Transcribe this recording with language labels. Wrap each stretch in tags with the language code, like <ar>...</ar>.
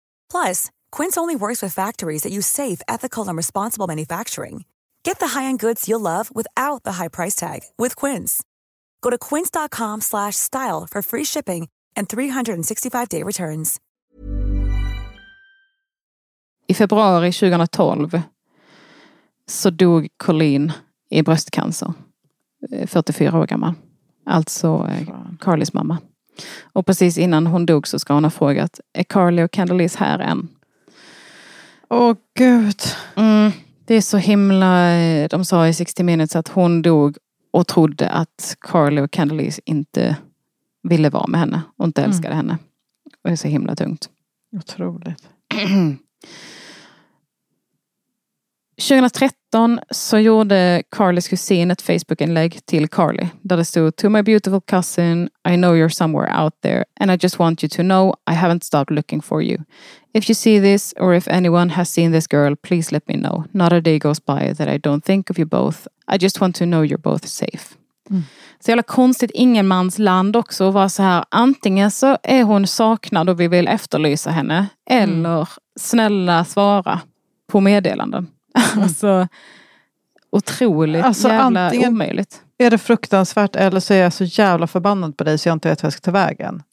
<en>Plus, Quince only works with factories that use safe, ethical, and responsible manufacturing. Get the high-end goods you'll love without the high price tag with Quince. Go to quince.com/style for free shipping and 365-day returns.</en> <sv>I februari 2012 så dog Colleen i bröstcancer. 44 år gammal. Alltså Carlys mamma. Och precis innan hon dog så ska hon ha frågat, är Carly och Candelise här än? Åh gud. Mm, det är så himla, de sa i 60 Minutes att hon dog och trodde att Carly och Candelise inte ville vara med henne. Och inte älskade henne. Och det är så himla tungt. Otroligt. 2013 så gjorde Carlys kusin ett Facebook-inlägg till Carly. Där det stod,</sv> <en>to my beautiful cousin, I know you're somewhere out there. And I just want you to know, I haven't stopped looking for you. If you see this, or if anyone has seen this girl, please let me know. Not a day goes by that I don't think of you both. I just want to know you're both safe.</en> <sv>Så jävla konstigt ingenmans land också att vara så här, antingen så är hon saknad och vi vill efterlysa henne, eller snälla svara på meddelanden. Alltså, otroligt alltså, jävla omöjligt. Är det fruktansvärt eller så är jag så jävla förbannad på dig så jag inte vet hur jag ska ta vägen.</sv>